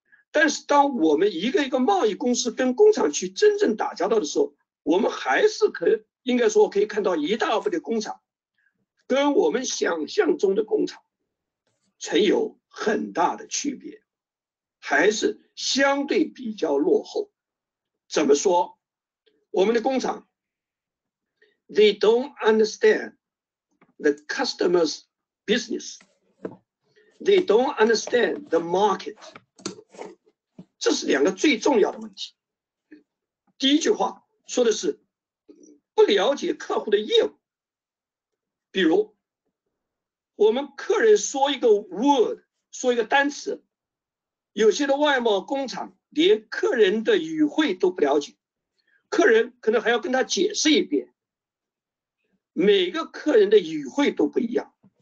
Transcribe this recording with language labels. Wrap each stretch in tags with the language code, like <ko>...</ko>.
<zh>但是当我们一个一个贸易公司跟工厂去真正打交道的时候，我们还是可以应该说可以看到一大部分的工厂跟我们想象中的工厂存有很大的区别，还是相对比较落后。怎么说？我们的工厂</zh> <en>they don't understand the customer's business, they don't understand the market。</en> <zh>这是两个最重要的问题。第一句话说的是不了解客户的业务，比如我们客人说一个 word， 说一个单词，有些的外贸工厂连客人的语汇都不了解，客人可能还要跟他解释一遍，每个客人的语汇都不一样。</zh>